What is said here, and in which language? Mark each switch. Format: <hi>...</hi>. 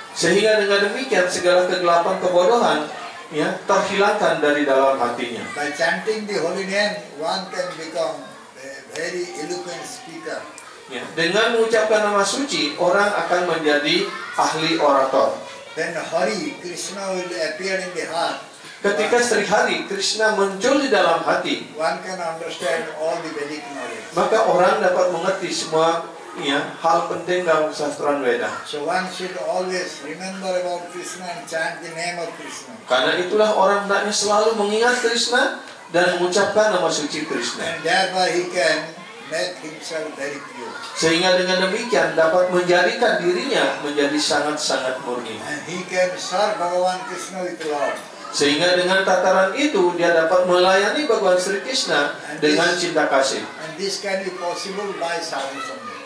<id>Sehingga dengan demikian segala kegelapan kebodohan, ya, terhilangkan dari dalam hatinya.</id> <en>By chanting the holy name, one can become a very eloquent speaker.</en> <id>Ya, dengan mengucapkan nama suci, orang akan menjadi ahli orator.</id> <en>Then Hari Krishna will appear in the heart.</en> <id>Ketika Sri Hari Krishna muncul di dalam hati,</id> <en>one can understand all the Vedic knowledge.</en> <id>Maka orang dapat mengerti semua ya hal penting dalam kesastraan Weda.</id> <en>So one should always remember about Krishna and chant the name of Krishna.</en> <id>Karena itulah orang hendaknya selalu mengingat Krishna dan mengucapkan nama suci Krishna.</id> <en>And thereby he can make himself very pure.</en> <id>Sehingga dengan demikian dapat menjadikan dirinya menjadi sangat-sangat murni.</id> <en>And he can serve Bhagavan Krishna with love.</en> <id>Sehingga dengan tataran itu dia dapat melayani Bhagavan Sri Krishna dengan cinta kasih.</id> <en>And this can be possible by sadhu sangha.</en>